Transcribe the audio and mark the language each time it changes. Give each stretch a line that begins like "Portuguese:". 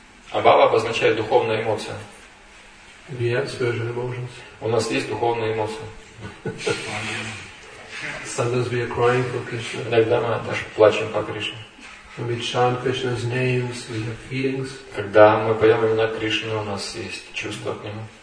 Russian: А бхава обозначает духовная эмоция.
English: We have spiritual emotions.
Russian: У нас есть духовная эмоция.
English: Sometimes we are crying for Krishna.
Russian: Иногда мы даже плачем по Кришне.
English: When we chant Krishna's names, we have feelings.
Russian: Когда мы поем имена Кришны, у нас есть чувства к нему.